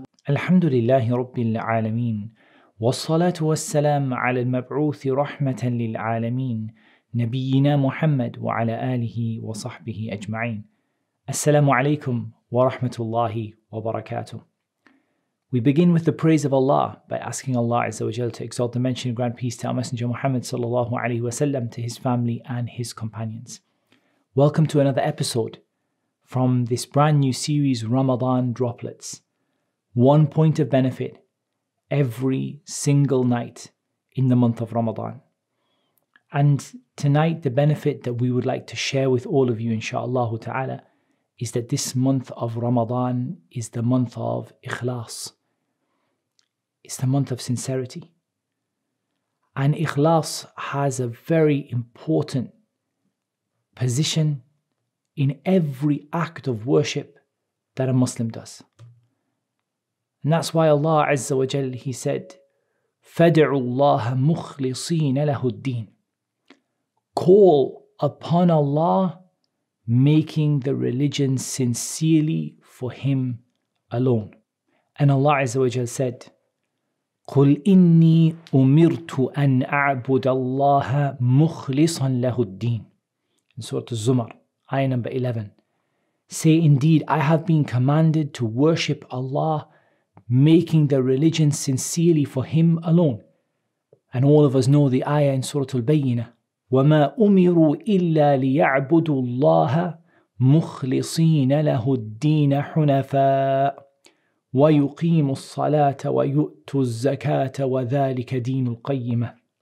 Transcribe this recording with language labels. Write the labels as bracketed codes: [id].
[ar] الحمد لله رب العالمين والصلاة والسلام على المبعوث رحمة للعالمين نبينا محمد وعلى آله وصحبه أجمعين السلام عليكم ورحمة الله وبركاته. [en] We begin with the praise of Allah by asking Allah Azza wa Jal to exalt the mention and grant peace to our Messenger Muhammad sallallahu alaihi wasallam, to his family and his companions. Welcome to another episode from this brand new series, Ramadan Droplets. One point of benefit every single night in the month of Ramadan. And tonight, the benefit that we would like to share with all of you, inshallah ta'ala, is that this month of Ramadan is the month of ikhlas. It's the month of sincerity. And ikhlas has a very important position in every act of worship that a Muslim does. And that's why Allah Azza wa Jal, He said, [ar] فَدْعُوا اللَّهَ مُخْلِصِينَ لَهُ الدِّينَ. [en] Call upon Allah, making the religion sincerely for Him alone. And Allah Azza wa Jal said, [ar] قُلْ إِنِّي أُمِرْتُ أَنْ أَعْبُدَ اللَّهَ مُخْلِصًا لَهُ الدِّينَ. [en] In Surah Az-Zumar, ayah number 11. Say, indeed, I have been commanded to worship Allah, making the religion sincerely for Him alone. And all of us know the ayah in Surah Al-Bayyinah, [ar] وَمَا أُمِرُوا إِلَّا لِيَعْبُدُوا اللَّهَ مُخْلِصِينَ لَهُ الدِّينَ حُنَفَاءَ وَيُقِيمُ الصَّلَاةَ وَيُؤْتُوا الزَّكَاةَ وَذَلِكَ دِينُ الْقَيِّمَةِ.